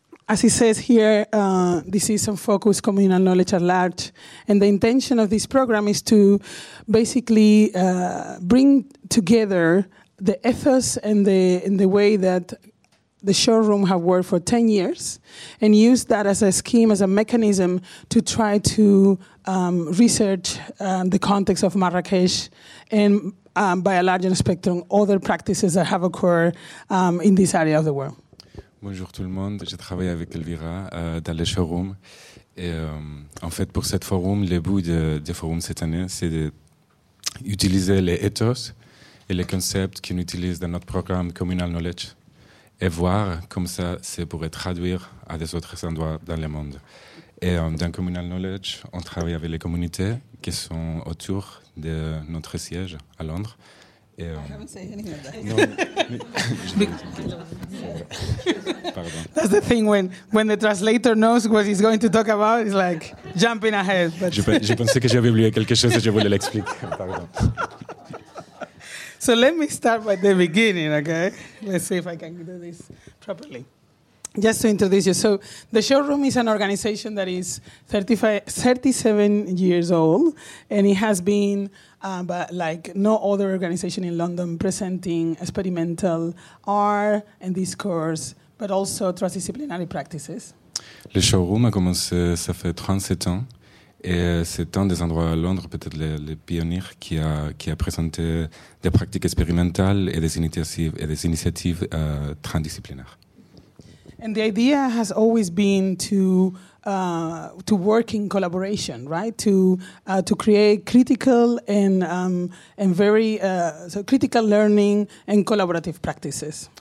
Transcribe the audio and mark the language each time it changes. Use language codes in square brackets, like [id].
[en] As he says here, this is some focus, communal knowledge at large, and the intention of this program is to basically bring together the ethos and the way that the showroom have worked for 10 years and use that as a scheme, as a mechanism to try to research the context of Marrakesh and by a large spectrum other practices that have occurred in this area of the world. [fr] Bonjour tout le monde, j'ai travaillé avec Elvira dans le showroom. Et, en fait, pour cette forum, le but de forum cette année, c'est d'utiliser les ethos et les concepts qu'on utilise dans notre programme Communal Knowledge et voir comme ça se pourrait traduire à des autres endroits dans le monde. Et dans Communal Knowledge, on travaille avec les communautés qui sont autour de notre siège à Londres. [en] Et, I haven't said anything of that. That's the thing, when the translator knows what he's going to talk about, he's like jumping ahead. [fr] Je pensais que j'avais oublié quelque chose et je voulais l'expliquer. Pardon. [en] So let me start by the beginning, okay? Let's see if I can do this properly. Just to introduce you. So the showroom is an organization that is 37 years old, and it has been, but like no other organization in London, presenting experimental art and discourse, but also transdisciplinary practices. [fr] Le showroom a commencé, ça fait 37 ans, et c'est un des endroits à Londres, peut-être le pionnier, qui a présenté des pratiques expérimentales et des initiatives transdisciplinaires. [en] And the idea has always been to work in collaboration, right? To create critical and very critical learning and collaborative practices.